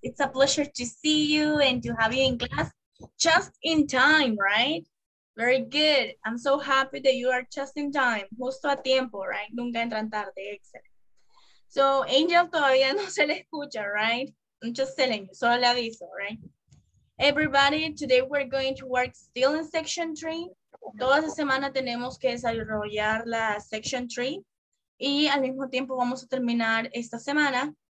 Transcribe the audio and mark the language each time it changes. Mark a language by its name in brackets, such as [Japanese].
[English] It's a pleasure to see you and to have you in class just in time, right? Very good. I'm so happy that you are just in time. [Spanish] Justo a tiempo, right? Nunca entran tarde. Excellent. So, Angel todavía no se le escucha, right? [English] I'm just telling you, [Spanish] solo le aviso, [English] right? Everybody, today we're going to work still in section 3. [Spanish] Toda la semana tenemos que desarrollar la section 3. Y al mismo tiempo vamos a terminar esta semana.